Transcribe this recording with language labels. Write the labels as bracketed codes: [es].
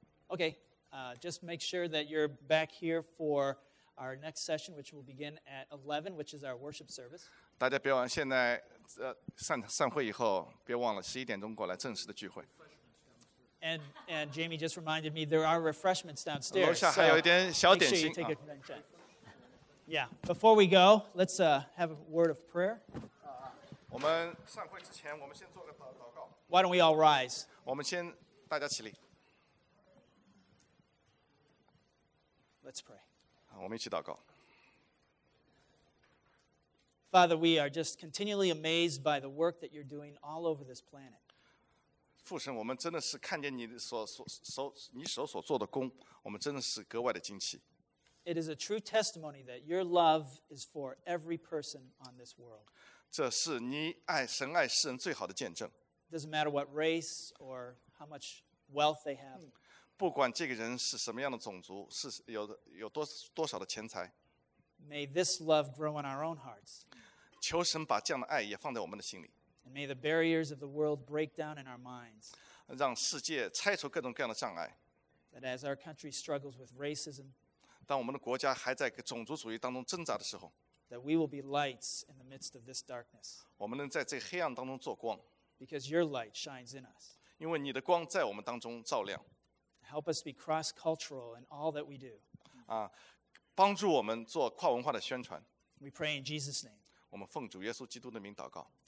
[en] Okay, just make sure that you're back here for our next session, which will begin at 11, which is our worship service. [zh] 大家别忘了现在散会以后，别忘了11点钟过来正式的聚会。 [en] And Jamie just reminded me there are refreshments downstairs. [zh] 楼下还有一点小点心。 [en] Yeah. Before we go, let's have a word of prayer. [zh] 我们散会之前，我们先做个祷告。 [en] Why don't we all rise? [zh] 我们先大家起立。 [en] Let's pray. [zh] 我们一起祷告。 [en] Father, we are just continually amazed by the work that you're doing all over this planet. [zh] 父神，我们真的是看见你手所做的工，我们真的是格外的惊奇。 [en] It is a true testimony that your love is for every person on this world. [zh] 这是你爱神爱世人最好的见证。 [en] It doesn't matter what race or how much wealth they have. [zh] 不管这个人是什么样的种族，是有多少的钱财。 [en] May this love grow in our own hearts. [zh] 求神把这样的爱也放在我们的心里。 [en] And may the barriers of the world break down in our minds. [zh] 让世界拆除各种各样的障碍。 [en] That as our country struggles with racism, [zh] 当我们的国家还在种族主义当中挣扎的时候， [en] that we will be lights in the midst of this darkness. [zh] 我们能在这黑暗当中做光。 [en] Because your light shines in us. [zh] 因为你的光在我们当中照亮。 [en] Help us be cross-cultural in all that we do. [zh] 帮助我们做跨文化的宣传。 [en] We pray in Jesus' name. [zh] 我们奉主耶稣基督的名祷告。